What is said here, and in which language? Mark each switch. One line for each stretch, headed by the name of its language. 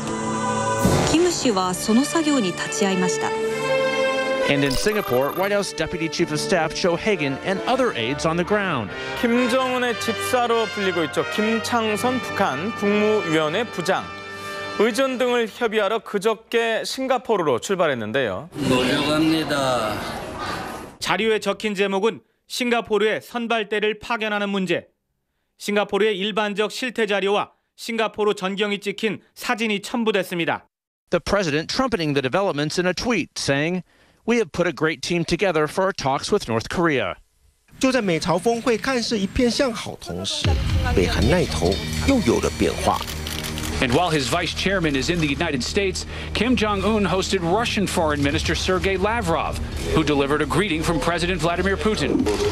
Japanese: キム氏は当時アメリカ国務省の担当特使を、チェ氏も北朝鮮側の代表団に所属していました。6カ国協議の合意に基づき北朝鮮は核施設を爆破。キム氏はその作業に立ち会いました。
English: And in Singapore, White House Deputy Chief of Staff Cho Hagan and other aides on the ground.
Korean: Kim Jong-un의 집사로 불리고 있죠. 김창선 북한 국무위원회 부장. 의전 등을 협의하러 그저께 싱가포르로 출발했는데요. 몰려갑니다. 자료에 적힌 제목은 싱가포르의 선발대를 파견하는 문제. 싱가포르의 일반적 실태 자료와 싱가포르 전경이 찍힌 사진이 첨부됐습니다.
English: The president trumpeting the developments in a tweet saying, We have put a great team together for our talks with North Korea.
Chinese: 就在美朝峰会看似一片向好同时，北韩那头又有了变化。
English: And while his vice chairman is in the United States, Kim Jong-un hosted Russian Foreign Minister Sergei Lavrov, who delivered a greeting from President Vladimir Putin.